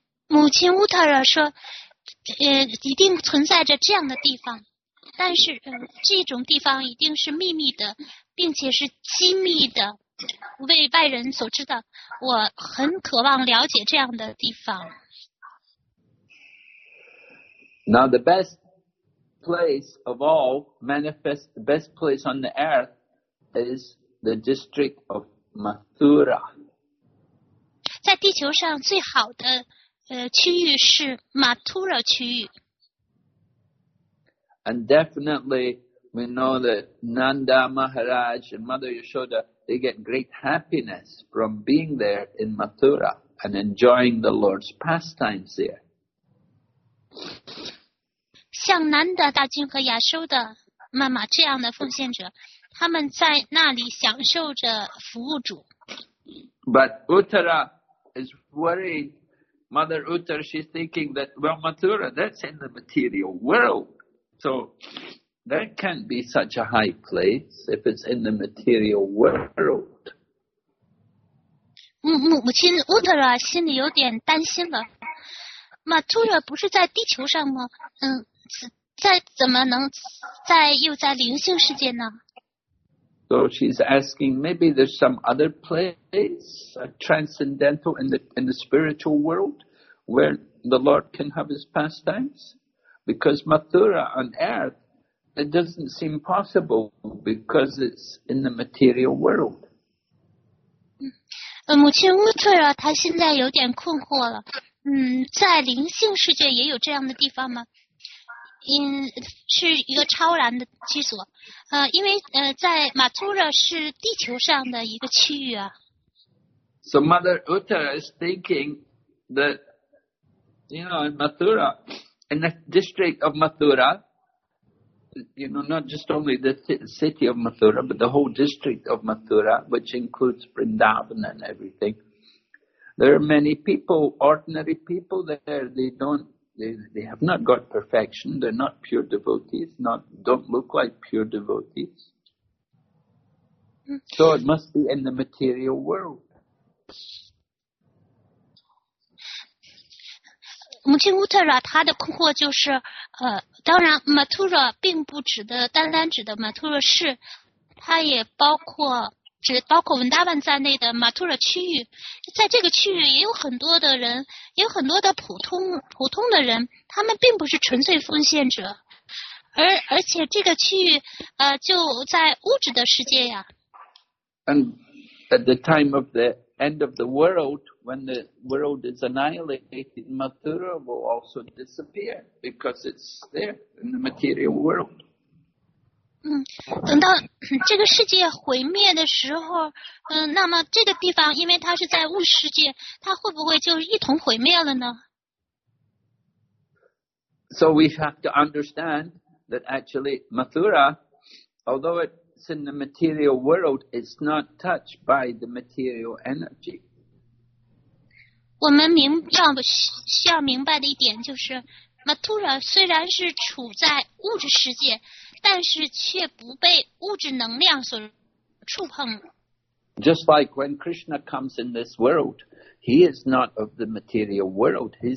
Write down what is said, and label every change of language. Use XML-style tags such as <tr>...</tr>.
<zh>母亲 Uttara 说，一定存在着这样的地方，但是这种地方一定是秘密的，并且是机密的，为外人所知的。我很渴望了解这样的地方。</zh> <en>Now the best place of all, manifest the best place on the earth, is the district of Mathura.</en> <zh>在地球上最好的区域是 Mathura 区域。</zh> <en>And definitely, we know that Nanda Maharaj and Mother Yashoda, they get great happiness from being there in Mathura and enjoying the Lord's pastimes there.</en> <zh>像南达大君和亚修的妈妈这样的奉献者，他们在那里享受着服务主。</zh> <en>But Uttara is worried. Mother Uttara, she's thinking that, well, Mathura, that's in the material world. So, there can't be such a high place if it's in the material world.</en> <zh>母亲 Uttara 心里有点担心了。Mathura 不是在地球上吗？在怎么能在又在灵性世界呢？</zh> <en>So she's asking, maybe there's some other place, a transcendental in the spiritual world, where the Lord can have his pastimes? Because Mathura on earth, it doesn't seem possible because it's in the material world.</en> <zh>母亲乌特拉她现在有点困惑了。在灵性世界也有这样的地方吗？是一个超然的居所。因为在 Mathura 是地球上的一个区域啊。</zh> <en>So Mother Uttara is thinking that, you know, in Mathura,In the district of Mathura, you know, not just only the city of Mathura, but the whole district of Mathura, which includes Vrindavan and everything. There are many people, ordinary people there. They have not got perfection. They're not pure devotees, don't look like pure devotees. So it must be in the material world.</en> <zh>母亲乌特拉她的困惑就是当然 Mathura 并不指的单单指的 Mathura 市，它也包括指包括文达万在内的 Mathura 区域，在这个区域也有很多的人，也有很多的普通的人，他们并不是纯粹奉献者，而且这个区域就在物质的世界呀。</zh> <en>And at the time of the end of the world,When the world is annihilated, Mathura will also disappear because it's there in the material world.</en> <zh>等到这个世界毁灭的时候，那么这个地方因为它是在物世界，它会不会就一同毁灭了呢？</zh> <en>So we have to understand that actually Mathura, although it's in the material world, it's not touched by the material energy.</en> <zh>我们需要明白的一点就是 Mathura 虽然是处在物质世界，但是却不被物质能量所触碰。</zh> <en>Just like when Krishna comes in this world, he is not of the material world.</en>